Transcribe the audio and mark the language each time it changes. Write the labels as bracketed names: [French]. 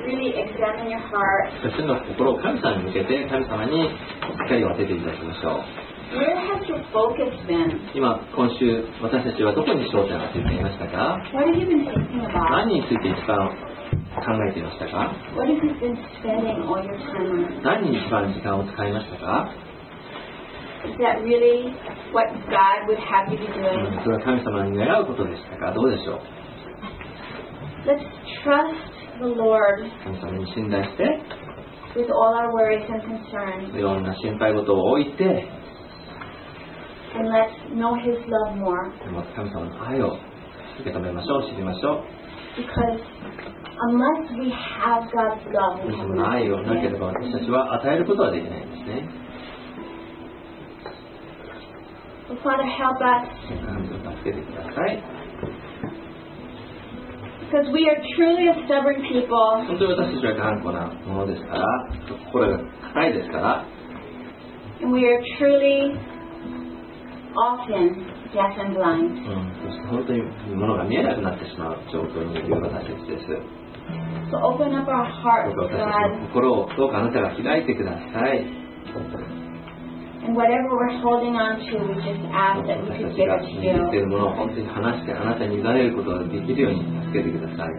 [Japanese] 私の心を神様に向けて、神様にしっかり当てていただきましょう。 [English] Where has your focus been? [Japanese] 今今週私たちはどこに焦点を当てていましたか。 [English] What have you been thinking about? [Japanese] 何について一番考えていましたか。 [English] What have you been spending all your time on? [Japanese] 何に一番時間を使いましたか。 [English] Is that really what God would have you be doing? [Japanese] それは神様に願うことでしたか。どうでしょう。 [English] Let's trust the Lord. [Japanese] 神様に信頼して。 [English] With all our worries and concerns. [Japanese] いろんな心配事を置いて。 [English] And let's know His love more. [Japanese] でも神様の愛を受け止めましょう。知りましょう。 [English] Because unless we have God's love, [Japanese] 神様の愛をなければ私たちは与えることはできないんですね。 [English] Father, help us. [Japanese] 助けてください。 [English] Because we are truly a stubborn people. [Japanese] 本当に私たちは頑固なものですから、心が硬いですから。 [English] And we are truly often deaf and blind. [Japanese] そして本当にものが見えなくなってしまう状況にいる私たちです。 [English] So open up our hearts, God. [Japanese] 私たちの心をどうかあなたが開いてください。 [English] And whatever we're holding on to, we just ask that we could give it to you. [Japanese] 私たちが握っているものを本当に話してあなたに委ねることができるように助けてください。